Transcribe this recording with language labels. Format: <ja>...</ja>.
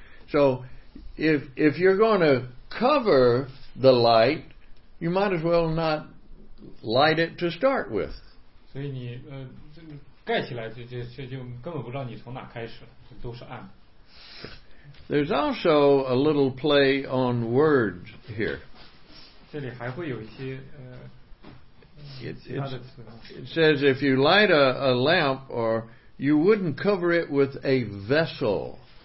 <en>So, if you're going to cover the light, you might as well not light it to start with. So, you,</en> <zh>盖起来就根本不知道你从哪开始，都是暗。</zh> <en>There's also a little play on words here.</en> <zh>这里还会有一些</zh> <en>It says if you light a lamp, or you wouldn't cover it with a vessel.</en>